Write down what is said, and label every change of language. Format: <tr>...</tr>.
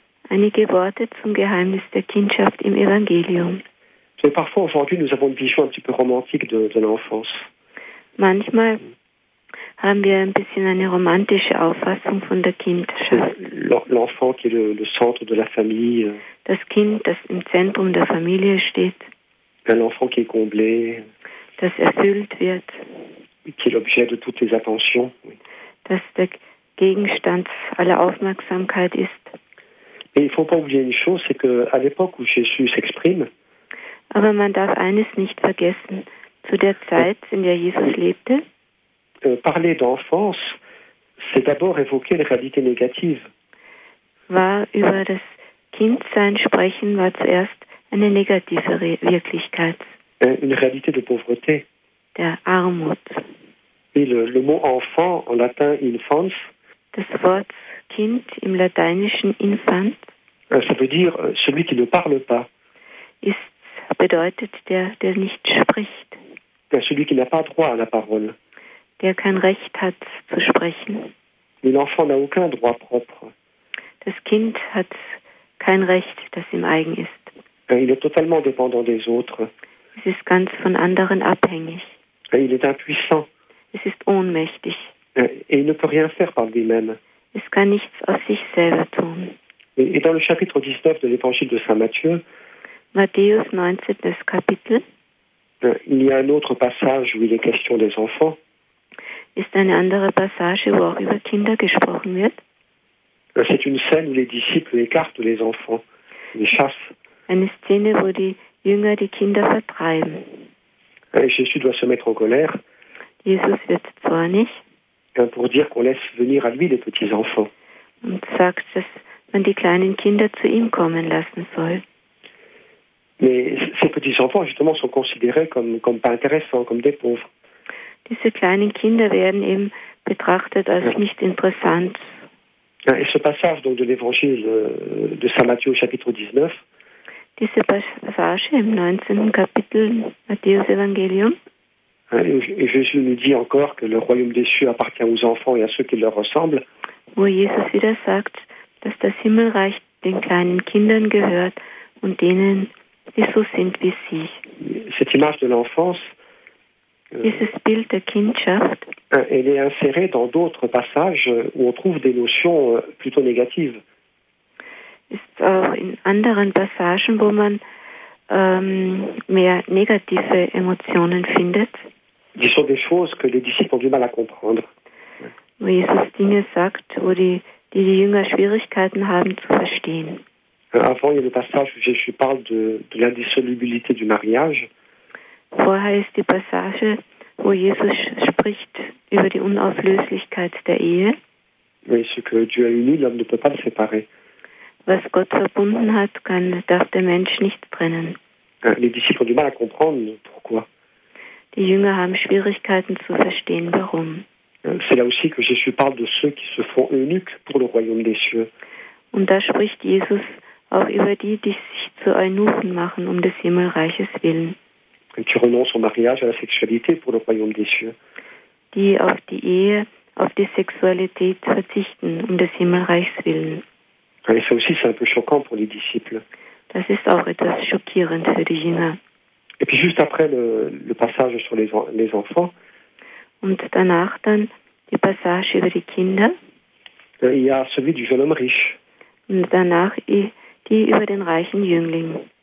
<de>Einige Worte zum Geheimnis der Kindschaft im Evangelium.</de> <fr>Mais parfois, aujourd'hui, nous avons une vision un petit peu romantique de l'enfance.</fr> <de>Manchmal haben wir ein bisschen eine romantische Auffassung von der Kindschaft.</de> <fr>L'enfant qui est le centre de la famille.</fr> <de>Das Kind, das im Zentrum der Familie steht.</de> <fr>Un enfant qui est comblé.</fr> <de>Das erfüllt wird,</de> <fr>qui est l'objet de toutes les attentions,</fr> <de>dass der Gegenstand aller Aufmerksamkeit ist.</de> <fr>Et il faut pas oublier une chose, c'est que à l'époque où Jésus s'exprime,</fr> <de>aber man darf eines nicht vergessen, zu der Zeit, in der Jesus lebte,</de> <fr>parler d'enfance, c'est d'abord évoquer les réalités négatives.</fr> <de>War über das Kindsein sprechen, war zuerst eine negative Wirklichkeit.</de> <fr>Une réalité de pauvreté.</fr> <de>Der Armut.</de> <fr>Et le mot enfant en latin infans.</fr> <de>Das Wort Kind im lateinischen infant.</de> <fr>Ça veut dire celui qui ne parle pas.</fr> <de>Ist bedeutet der nicht spricht. Der</de> <fr>celui qui n'a pas droit à la parole.</fr> <de>Der kein Recht hat zu sprechen.</de> <fr>Mais l'enfant n'a aucun droit propre.</fr> <de>Das Kind hat kein Recht, das ihm eigen ist.</de> <fr>Il est totalement dépendant des autres.</fr> <de>Es ist ganz von anderen abhängig.</de> <fr>Il est impuissant.</fr> <de>Es ist ohnmächtig.</de> <fr>Et il ne peut rien faire par lui-même.</fr> <de>Es kann nichts aus sich selber tun.</de> <fr>Et dans le chapitre 19 de l'évangile de saint Matthieu,</fr> <de>Matthäus 19, das Kapitel,</de> <fr>il y a un autre passage où il est question des enfants,</fr> <de>ist eine andere Passage, wo auch über Kinder gesprochen wird.</de> <fr>C'est une scène où les disciples écartent les enfants, les chassent.</fr> <de>Eine Szene, wo die Jünger die Kinder vertreiben.</de> <fr>Jésus doit se mettre en colère.</fr> <de>Jesus wird zornig.</de> <fr>Pour dire qu'on laisse venir à lui les petits enfants.</fr> <de>Und sagt, dass man die kleinen Kinder zu ihm kommen lassen soll.</de> <fr>Mais ces petits enfants justement sont considérés comme pas intéressants, comme des pauvres.</fr> <de>Diese kleinen Kinder werden eben betrachtet als nicht interessant.</de> <fr>Et ce passage donc de l'évangile de saint Matthieu au chapitre 19.</fr> <de>Diese Passage im 19. Kapitel Matthäus Evangelium.</de> <fr>Et Jésus nous dit encore que le royaume des cieux appartient aux enfants et à ceux qui leur ressemblent.</fr> <de>Wo Jesus wieder sagt, dass das Himmelreich den kleinen Kindern gehört und denen, die so sind wie sie.</de> <fr>Cette image de l'enfance.</fr> <de>Dieses Bild der Kindschaft.</de> <fr>Elle est insérée dans d'autres passages où on trouve des notions plutôt négatives.</fr> <de>Ist auch in anderen Passagen, wo man mehr negative Emotionen findet. Die</de> <fr>sont des choses que les disciples ont du mal à comprendre.</fr> <de>wo Jesus Dinge sagt, wo die Jünger Schwierigkeiten haben zu verstehen.</de> <fr>Avant, il y a le passage où Jésus parle de l'indissolubilité du mariage.</fr> <de>Vorher ist die Passage, wo Jesus spricht über die Unauflöslichkeit der Ehe.</de> <fr>Oui, ce que Dieu a uni, l'homme ne peut pas le séparer.</fr> <de>Was Gott verbunden hat, darf der Mensch nicht trennen.</de> <fr>Les disciples ont du mal à comprendre pourquoi.</fr> <de>Die Jünger haben Schwierigkeiten zu verstehen, warum.</de> <fr>C'est là aussi que Jésus parle de ceux qui se font eunuques pour le royaume des cieux.</fr> <de>Und da spricht Jesus auch über die, die sich zu Eunuchen machen, um des Himmelreiches willen.</de> <fr>Qui renoncent au mariage, à la sexualité pour le royaume des cieux.</fr> <de>Die auf die Ehe, auf die Sexualität verzichten, um des Himmelreichs willen.</de> <fr>Et ça aussi, c'est un peu choquant pour les disciples.</fr> <de>Das ist auch etwas schockierend für die Jünger.</de> <fr>Et puis juste après le passage sur les enfants.</fr> <de>Und danach dann die Passage über die Kinder.</de> <fr>Il y a celui du jeune homme riche.</fr> <de>Und danach die über den reichen Jüngling.</de>